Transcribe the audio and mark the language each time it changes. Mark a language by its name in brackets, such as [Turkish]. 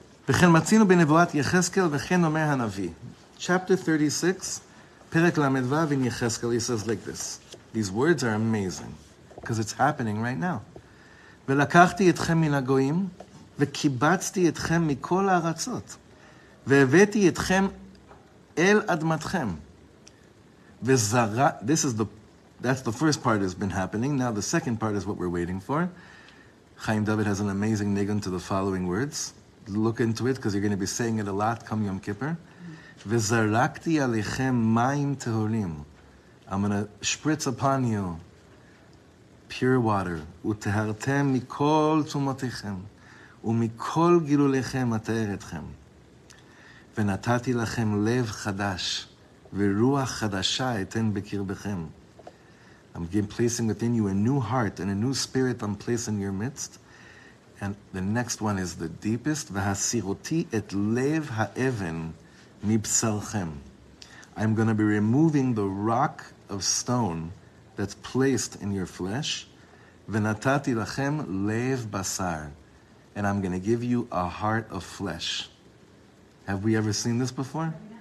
[Hebrew] וכן מצינו בנבואת יחזקאל וכן אומר הנביא. [English] Chapter 36, [Hebrew] פרק ל"ו, [English] in Yechezkel, he says like this. These words are amazing. because it's happening right now. [Hebrew] ולקחתי אתכם מן הגויים, וקיבצתי אתכם מכל הארצות, והבאתי אתכם אל אדמתכם. [English] This is that's the first part has been happening. Now the second part is what we're waiting for. Chaim David has an amazing nigun to the following words. Look into it, because you're going to be saying it a lot come Yom Kippur. [Hebrew] וזרקתי עליכם מים טהורים. [English] I'm going to spritz upon you pure water. [Hebrew] וטהרתם מכל תומותיכם ומכל גילוליכם אטהר אתכם. ונתתי לכם לב חדש ורוח חדשה אתן בקרבכם. [English] I'm placing within you a new heart and a new spirit I'm placing in your midst. And the next one is the deepest. [Hebrew] והסירותי את לב האבן מבשרכם. [English] I'm going to be removing the rock of stone that's placed in your flesh. [Hebrew] ונתתי לכם לב בשר. [English] And I'm going to give you a heart of flesh. Have we ever seen this before?